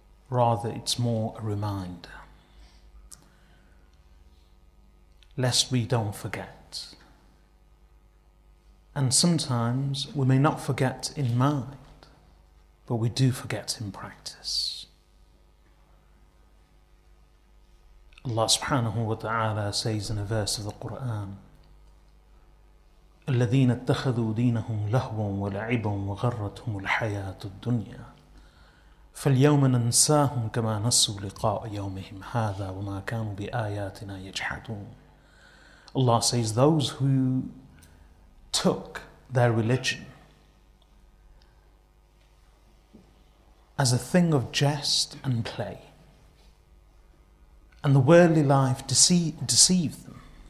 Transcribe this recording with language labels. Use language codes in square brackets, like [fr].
[en] Rather, it's more a reminder, lest we don't forget. And sometimes we may not forget in mind, but we do forget in practice. Allah subhanahu wa ta'ala says in a verse of the Quran, [ar] الذين اتخذوا دينهم لهوا ولعبا وغرتهم الحياة الدنيا فاليوم ننساهم كما نسوا لقاء يومهم هذا وما كانوا بآياتنا يجحدون. [en] Allah says, those who took their religion as a thing of jest and play, and the worldly life deceived them.